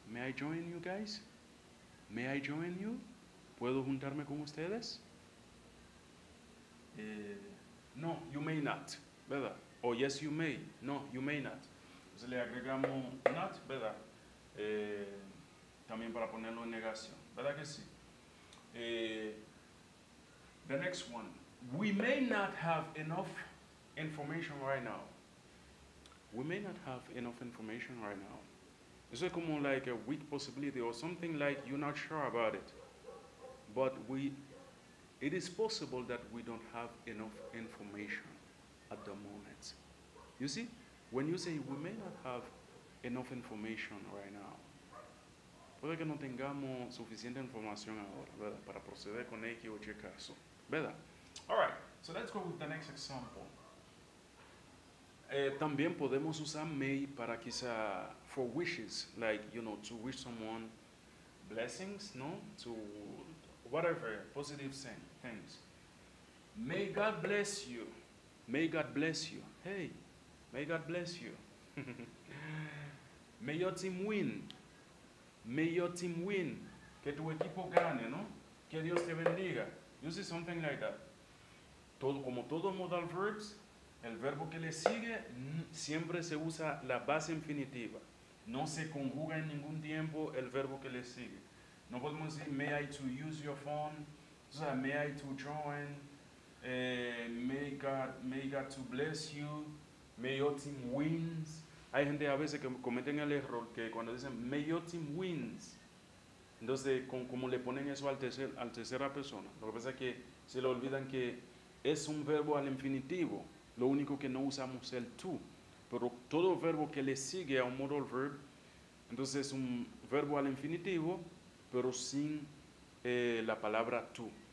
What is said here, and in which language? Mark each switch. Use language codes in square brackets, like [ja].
[en] May I join you guys? May I join you? ¿Puedo juntarme con ustedes? No, you may not, ¿verdad? O oh, yes, you may. No, you may not. [es] Entonces le agregamos not, ¿verdad? También para ponerlo en negación, ¿verdad que sí? [en] The next one. We may not have enough information right now. We may not have enough information right now. Eso es como like a weak possibility or something like you're not sure about it. But it is possible that we don't have enough information at the moment. You see, when you say we may not have enough information right now, puede que no tengamos suficiente información ahora, ¿verdad? [es] Para proceder con X o Y caso, ¿verdad? [en] All right, so let's go with the next example. También podemos usar may para quizá for wishes, like, you know, to wish someone blessings, ¿no? To whatever, positive things. May God bless you. May God bless you. Hey, may God bless you. May your team win. May your team win. [es] Que tu equipo gane, ¿no? Que Dios te bendiga. You see something like that. Todo, como todos modal verbs, el verbo que le sigue siempre se usa la base infinitiva. No se conjuga en ningún tiempo el verbo que le sigue. No podemos decir, may I to use your phone, o sea, may I to join, may God to bless you, may your team wins. Hay gente a veces que cometen el error que cuando dicen, may your team wins, entonces, como le ponen eso al tercera persona, lo que pasa es que se le olvidan que es un verbo al infinitivo, lo único que no usamos el to, pero todo verbo que le sigue a un modal verb, entonces es un verbo al infinitivo, pero sin la palabra tú.